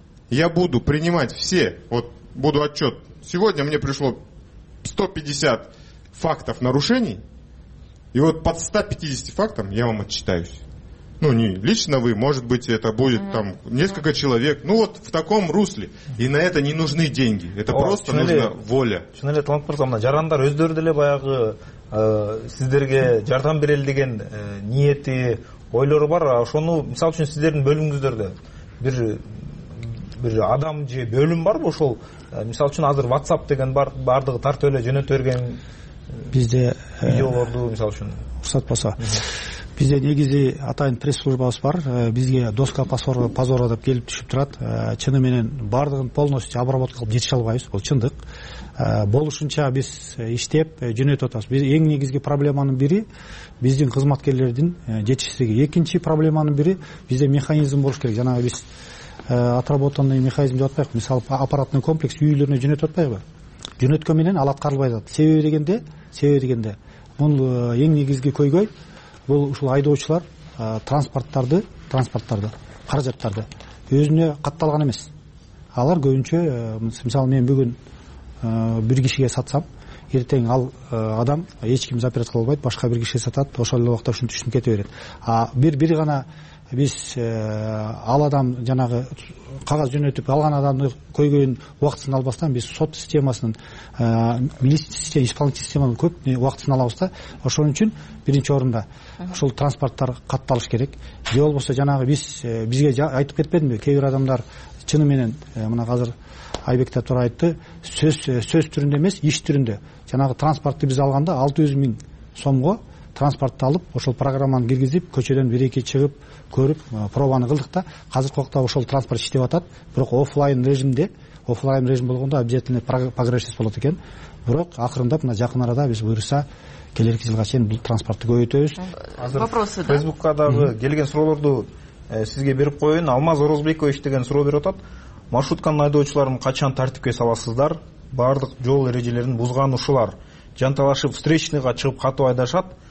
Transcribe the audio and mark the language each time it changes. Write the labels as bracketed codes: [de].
[ru] Я буду принимать все, вот буду отчет. Сегодня мне пришло 150 фактов нарушений, и вот под 150 фактом я вам отчитаюсь. Ну, не лично вы, может быть, это будет там несколько человек. Ну, вот в таком русле. И на это не нужны деньги. Это просто нужна воля. [ky] Чынеле талант бар, мына жарандар өздөрү деле баягы сиздерге жардам берели деген ниети, ойлору бар. Ошону, мисалы үчүн, сиздердин бөлүмүңүздөрдө бир... бир адам же бөлүм барбы ошол? Мисалы үчүн азыр WhatsApp деген бар, бардыгы тартып эле жөнөтө берген бизде видеолорду мисалы үчүн уруксат болсо. Бизде негизи атайын пресс-службабыз бар. Бизге [ru] доска позора [ky] деп келип түшүп турат. Чыны менен бардыгын [ru] полностью обработка [ky] кылып жетише албайбыз. Бул чындык. Болушунча биз иштеп жөнөтүп атабыз. Биз эң негизги проблеманын бири биздин кызматкерлердин жетишсиздиги. Экинчи проблеманын бири бизде механизм болуш керек. Жана биз [ru] отработанный механизм [ky] деп атпайбы. Мисалы, [ru] аппаратный комплекс [ky] үйлөрүнө жөнөтүп атпайбы. Жөнөткөн менен ал аткарылбай жатат. Себеби дегенде, бул эң негизги көйгөй, бул ушул айдоочулар транспорттарды, каражаттарды өзүнө катталган эмес. Алар көбүнчө, мисалы, мен бүгүн бир кишиге сатсам, эртең ал адам эч ким запрет кыла албайт, башка бир кишиге сатат, ошол эле убакта ушуну түшүнүп кете берет. А бир гана биз ал адам жанагы кагаз жөнөтүп алган адамды көйгөйүн убактысын албастан, биз сот системасынын милиция исполнительный системанын көп убактысын алабыз да. Ошон үчүн биринчи орунда ушул транспорттор катталыш керек. Же болбосо жанагы бизге айтып кетпедимби, кээ бир адамдар чыны менен мына азыр Айбек да туура айтты, сөз түрүндө эмес, иш түрүндө жанагы транспортту биз алганда 600,000 сомго транспортту алып, ошол программаны киргизип, көчөдөн 1-2 чыгып көрүп пробаны кылдык да, азыркы убакта ошол транспорт иштеп атат. Бирок оффлайн режим болгондо обязательный прогрессис болот экен. Бирок акырындап мына жакын арада биз буйруса келерки жылга чейин бул транспортту көбөйтөбүз. Азыр вопросы да. Фейсбукка дагы келген суроолорду сизге берип коеюн. Алмаз Орозбекович деген суроо берип атат. Маршрутканын айдоочуларын качан тартипке саласыздар? Бардык жол эрежелерин бузган ушулар жанталашып встречныйга чыгып катуу айдашат.